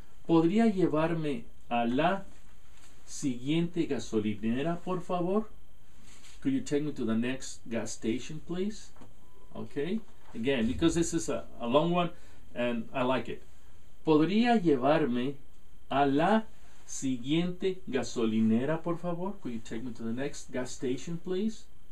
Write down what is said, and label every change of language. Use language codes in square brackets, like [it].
[es] ¿Podría llevarme a la siguiente gasolinera, por favor? [en] Could you take me to the next gas station, please? Okay. Again, because this is a long one and I like it. [es] ¿Podría llevarme a la siguiente gasolinera, por favor? [en] Could you take me to the next gas station, please?